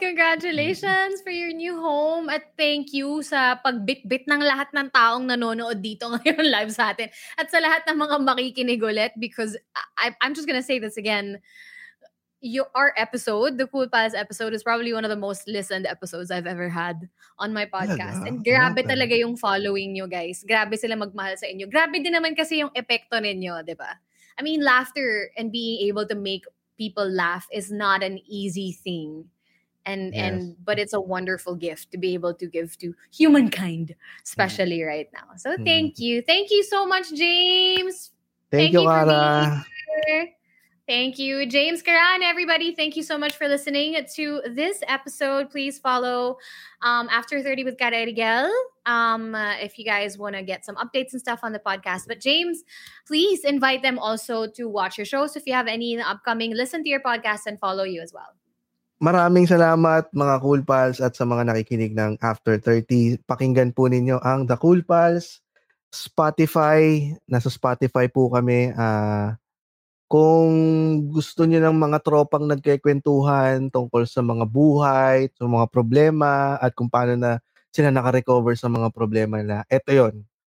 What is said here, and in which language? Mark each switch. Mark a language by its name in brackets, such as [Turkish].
[English] Congratulations for your new home. [Filipino] At thank you sa pagbit-bit ng lahat ng taong nanonood dito ngayon live sa atin. At sa lahat ng mga makikinig ulit, [English] because I'm just gonna say this again. Our episode, the Cool Pals episode, is probably one of the most listened episodes I've ever had on my podcast. And [Filipino] grabe talaga yung [English] following [Filipino] nyo, guys. Grabe sila magmahal sa inyo. Grabe din naman kasi yung epekto ninyo, di ba? [English] I mean, laughter and being able to make people laugh is not an easy thing. And but it's a wonderful gift to be able to give to humankind, especially right now. So thank you. Thank you so much, James. Thank you for being here. Thank you, James Karan, everybody. Thank you so much for listening to this episode. Please follow After 30 with Kara Erigel if you guys want to get some updates and stuff on the podcast. But James, please invite them also to watch your show. So if you have any upcoming, listen to your podcast and follow you as well. [Filipino] Maraming salamat mga Cool Pals at sa mga nakikinig ng After 30. Pakinggan po ninyo ang The Cool Pals, Spotify. Nasa Spotify po kami. Kung gusto niyo ng mga tropang nagkikwentuhan tungkol sa mga buhay, sa mga problema, at kung paano na sila nakarecover sa mga problema nila, eto yun.